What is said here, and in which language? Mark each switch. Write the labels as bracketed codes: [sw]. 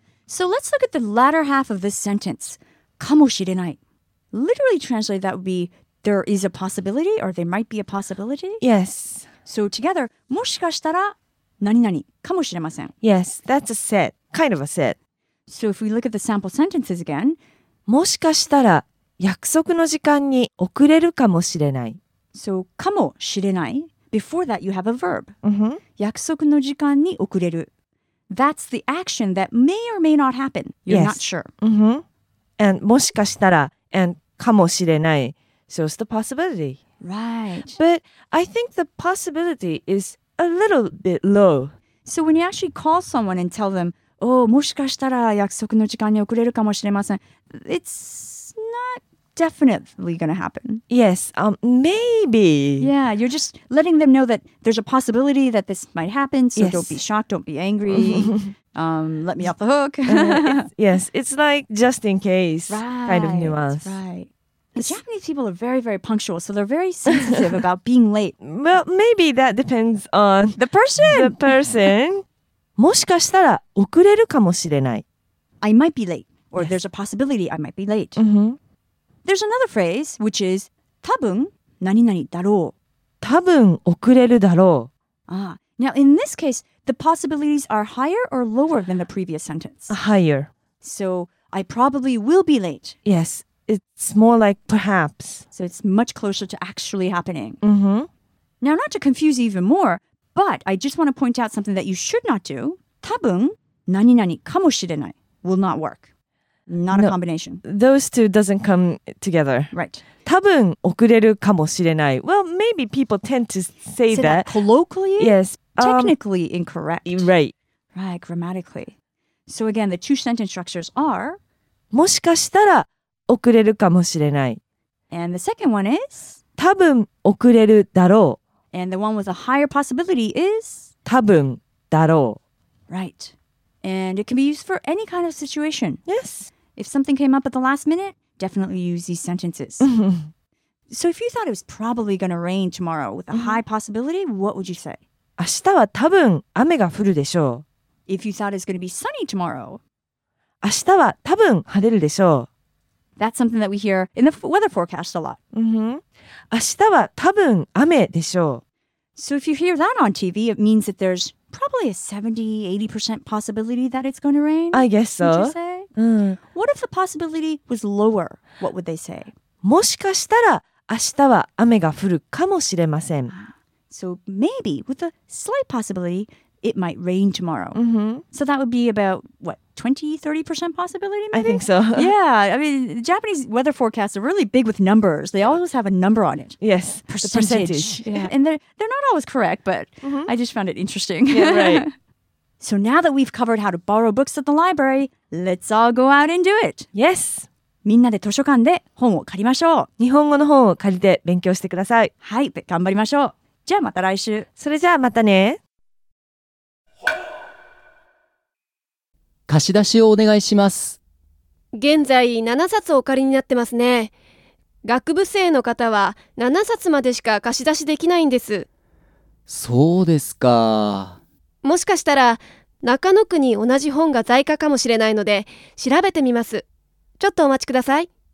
[en] So let's look at the latter half of this sentence. [ja] かもしれない. [en] Literally translated, that would be there is a possibility or there might be a possibility. Yes. So together, [ja] もしかしたら何々かもしれません. [en] Yes, that's a set. Kind of a set. So if we look at the sample sentences again, [ja] もしかしたら約束の時間に遅れるかもしれない. [en] So [ja] かもしれない. [en] Before that, you have a verb. Mm-hmm. [ja] 約束の時間に遅れる. [en] That's the action that may or may not happen. You're yes. not sure. Mm-hmm. And [ja] もしかしたら [en] and [ja] かもしれない. [en] So it's the possibility. Right. But I think the possibility is a little bit low. So when you actually call someone and tell them, oh, [ja] もしかしたら約束の時間に遅れるかもしれません, [en] it's not definitely going to happen. Yes, maybe. Yeah, you're just letting them know that there's a possibility that this might happen, so yes. don't be shocked, don't be angry, let me off the hook. yes, it's like just in case right, kind of nuance. Right. The Japanese people are very, very punctual, so they're very sensitive about being late. Well, maybe that depends on the person. The person. [ja] もしかしたら遅れるかもしれない. [en] I might be late, or yes. there's a possibility I might be late. Mm-hmm. There's another phrase, which is [ja] 多分何々だろう. 多分遅れるだろう. Ah. [en] Now, in this case, the possibilities are higher or lower than the previous sentence? Higher. So, I probably will be late. Yes. It's more like perhaps. So it's much closer to actually happening. Mm-hmm. Now, not to confuse you even more, but I just want to point out something that you should not do. [ja] 多分何々かもしれない [en] will not work. Not no, a combination. Those two doesn't come together. Right. [ja] 多分遅れるかもしれない. [en] Well, maybe people tend to say that. Say that colloquially? Yes. Technically incorrect. Right. Right, grammatically. So again, the two sentence structures are [ja] もしかしたら 遅れるかもしれない. [en] And the second one is [ja] 多分遅れるだろう. [en] And the one with a higher possibility is [ja] 多分だろう. [en] Right. And it can be used for any kind of situation. Yes. If something came up at the last minute, definitely use these sentences. So if you thought it was probably going to rain tomorrow with a high possibility, what would you say? [ja] 明日は多分雨が降るでしょう. [en] If you thought it's going to be sunny tomorrow, [ja] 明日は多分晴れるでしょう. [en] That's something that we hear in the weather forecast a lot. Mm-hmm. [ja] 明日は多分雨でしょう. [en] So if you hear that on TV, it means that there's probably a 70-80% possibility that it's going to rain. I guess so. Would you say? What if the possibility was lower? What would they say? [ja] もしかしたら明日は雨が降るかもしれません. [en] So maybe with a slight possibility, it might rain tomorrow. Mm-hmm. So that would be about, what, 20-30% possibility maybe? I think so. Yeah. I mean, Japanese weather forecasts are really big with numbers. They always have a number on it. Yes. Percentage. The percentage. Yeah. And they're not always correct, but mm-hmm. I just found it interesting. Yeah, right. So now that we've covered how to borrow books at the library, let's all go out and do it. Yes. [ja] みんなで図書館で本を借りましょう. 日本語の本を借りて勉強してください. はい、頑張りましょう.じゃあまた来週. それじゃあまたね。貸し出しをお願いします。現在7冊お借りになってますね。学部生の方は7冊までしか貸し出しできないんです。そうですか。もしかしたら中野区に同じ本が在庫かもしれないので調べてみます。ちょっとお待ちください。